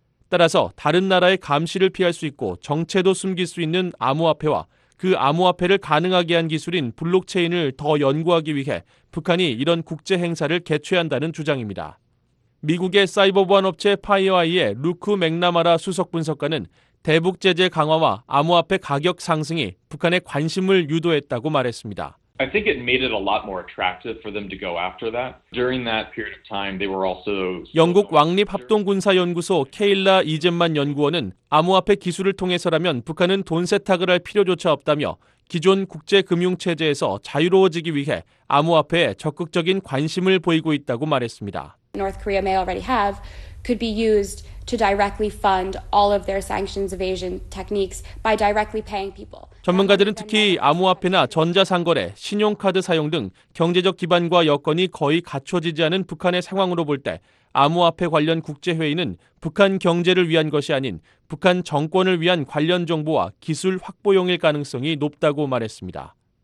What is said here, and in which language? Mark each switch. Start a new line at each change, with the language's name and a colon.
Korean: 따라서 다른 나라의 감시를 피할 수 있고 정체도 숨길 수 있는 암호화폐와 그 암호화폐를 가능하게 한 기술인 블록체인을 더 연구하기 위해 북한이 이런 국제 행사를 개최한다는 주장입니다. 미국의 사이버 보안 업체 파이어아이의 루크 맥나마라 수석 분석가는 대북 제재 강화와 암호화폐 가격 상승이 북한의 관심을 유도했다고 말했습니다.
English: I think it made it a lot more attractive for them to go after that. During that period of time, they were also
Korean: 영국 왕립 합동군사연구소 케일라 이젠만 연구원은 암호화폐 기술을 통해서라면 북한은 돈 세탁을 할 필요조차 없다며 기존 국제 금융 체제에서 자유로워지기 위해 암호화폐에 적극적인 관심을 보이고 있다고 말했습니다.
English: North Korea may already have could be used to directly fund all of their sanctions evasion techniques by directly paying people.
Korean: 전문가들은 특히 암호화폐나 전자상거래, 신용카드 사용 등 경제적 기반과 여건이 거의 갖춰지지 않은 북한의 상황으로 볼 때 암호화폐 관련 국제회의는 북한 경제를 위한 것이 아닌 북한 정권을 위한 관련 정보와 기술 확보용일 가능성이 높다고 말했습니다.